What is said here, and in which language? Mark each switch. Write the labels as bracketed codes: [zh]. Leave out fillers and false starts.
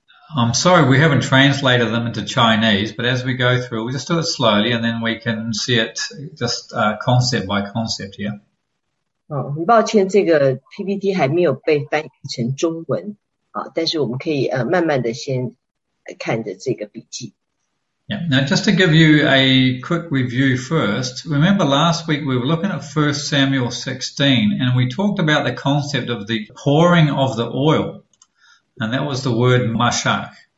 [en] I'm sorry we haven't translated them into Chinese, but as we go through, we'll just do it slowly and then we can see it just concept by concept here. [zh] 很抱歉这个PPT还没有被翻译成中文，但是我们可以慢慢的先 [en] Yeah. Now, just to give you a quick review first, remember last week we were looking at 1 Samuel 16 and we talked about the concept of the pouring of the oil, and that was the word mashak.